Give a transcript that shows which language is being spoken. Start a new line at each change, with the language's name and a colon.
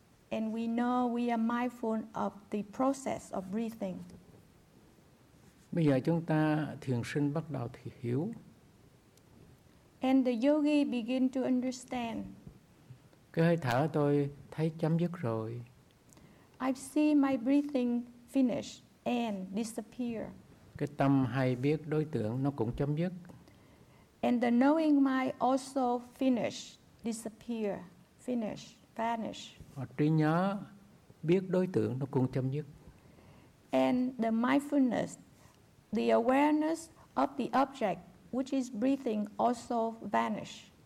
English: And we know we are mindful of the process of breathing.
Vietnamese: Bây giờ chúng ta thiền sinh bắt đầu thì hiểu.
English: And the yogi begin to understand.
Vietnamese: Cái hơi thở tôi thấy chấm dứt rồi.
English: I see my breathing finish and disappear.
Vietnamese: Cái tâm hay biết đối tượng nó cũng chấm dứt.
English: And the knowing mind also finish, disappear, finish, vanish.
Vietnamese: Trí nhớ biết đối tượng nó cũng chấm dứt.
English: And the mindfulness, the awareness of the object which is breathing also vanish.